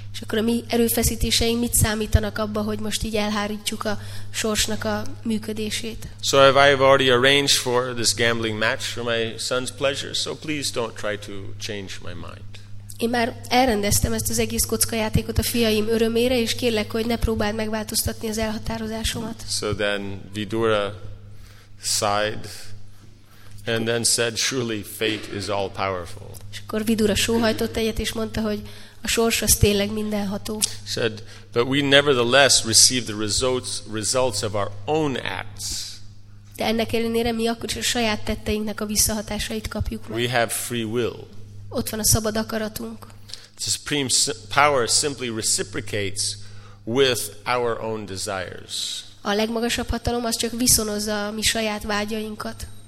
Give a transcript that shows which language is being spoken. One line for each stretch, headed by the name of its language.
Hungarian: És akkor a mi erőfeszítéseink mit számítanak abba, hogy most így elhárítjuk a sorsnak a működését?
English: So if I have already arranged for this gambling match for my son's pleasure, so please don't try to change my mind.
Hungarian: Én már elrendeztem ezt az egész kockajátékot a fiaim örömére, és kérlek, hogy ne próbáld megváltoztatni az elhatározásomat.
English: So then Vidura sighed and then said, surely fate is all powerful.
Hungarian: És akkor Vidura sóhajtott egyet, és mondta, hogy a sors az tényleg mindenható.
English: Said, but we nevertheless receive the results of our own acts.
Hungarian: De ennek ellenére mi akkor is a saját tetteinknek a visszahatásait kapjuk meg.
English: We have free will.
Hungarian: Ott van a szabad akaratunk.
English: The supreme power simply reciprocates with our own desires.
Hungarian: A legmagasabb hatalom az csak viszonozza a mi saját vágyainkat.